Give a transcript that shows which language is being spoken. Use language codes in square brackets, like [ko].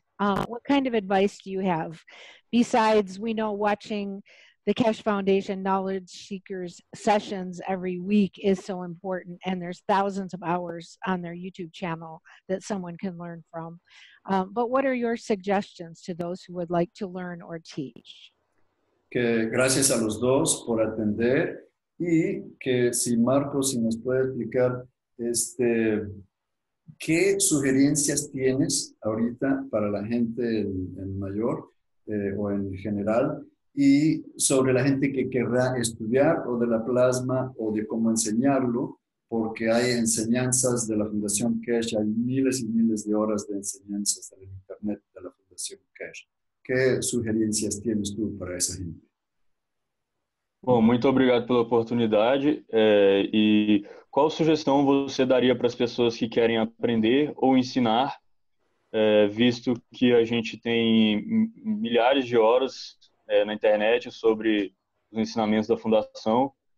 [en] What kind of advice do you have? Besides, we know watching the Keshe Foundation Knowledge Seekers sessions every week is so important, and there's thousands of hours on their YouTube channel that someone can learn from. But what are your suggestions to those who would like to learn or teach? [es] Que gracias a los dos por atender y que si Marcos si nos puede explicar este qué sugerencias tienes ahorita para la gente en mayor o en general y sobre la gente que querrá estudiar o de la plasma o de cómo enseñarlo. Porque hay enseñanzas de la Fundación Keshe, hay miles y miles de horas de enseñanzas en el internet de la Fundación Keshe. ¿Qué sugerencias tienes tú para esa gente? [pt] Bom, muito obrigado pela oportunidade. E qual sugestão você daria para as pessoas que querem aprender ou ensinar, visto que a gente tem milhares de horas, na internet sobre os ensinamentos da Fundação?